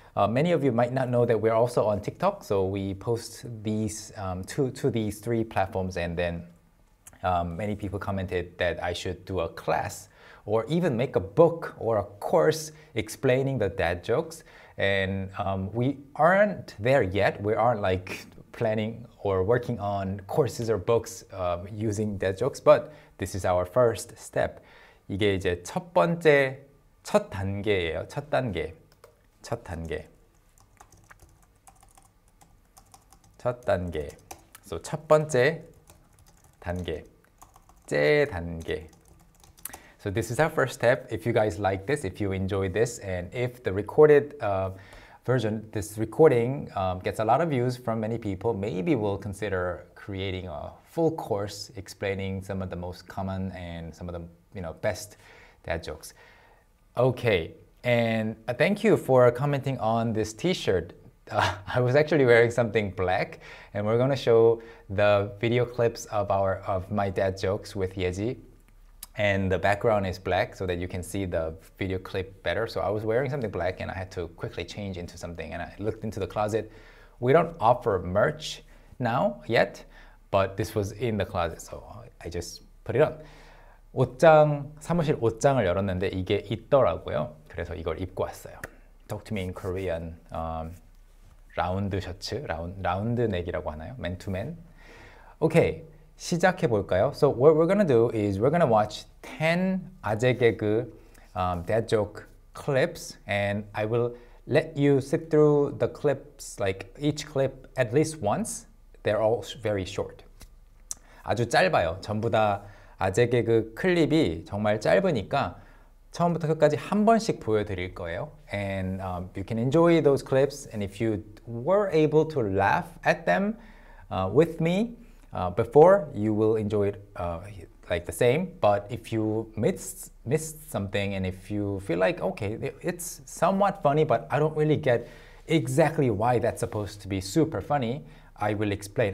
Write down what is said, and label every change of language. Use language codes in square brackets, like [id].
[en] Many of you might not know that we're also on TikTok, so we post these to these three platforms, and then many people commented that I should do a class or even make a book or a course explaining the dad jokes, and we aren't there yet. We aren't like planning or working on courses or books using dad jokes, but this is our first step. [ko] 이게 이제 첫 번째, 첫 단계예요, 첫 단계. 첫 단계. 첫 단계. So 첫 번째 단계. 째 단계. [en] So this is our first step. If you guys like this, if you enjoy this, and if the recorded version, this recording gets a lot of views from many people, maybe we'll consider creating a full course explaining some of the most common and some of the, you know, best dad jokes. Okay. And thank you for commenting on this t-shirt. I was actually wearing something black, and we're gonna show the video clips of my dad jokes with Yeji. And the background is black so that you can see the video clip better. So I was wearing something black and I had to quickly change into something, and I looked into the closet. We don't offer merch now yet, but this was in the closet, so I just put it on. [ko] 옷장, 사무실 옷장을 열었는데 이게 있더라고요. 그래서 이걸 입고 왔어요. [en] Talk to me in Korean. [ko] 라운드 셔츠, 라운드 넥이라고 하나요? 맨투맨. Okay, 시작해 볼까요? [en] So what we're gonna do is we're gonna watch 10 아재 개그 dad joke clips, and I will let you sit through the clips, like each clip at least once. They're all very short. [ko] 아주 짧아요. 전부 다 아재 개그 클립이 정말 짧으니까 처음부터 끝까지 한 번씩 보여드릴 거예요. [en] And you can enjoy those clips. And if you were able to laugh at them with me before, you will enjoy it like the same. But if you missed something, and if you feel like, okay, it's somewhat funny, but I don't really get exactly why that's supposed to be super funny, I will explain.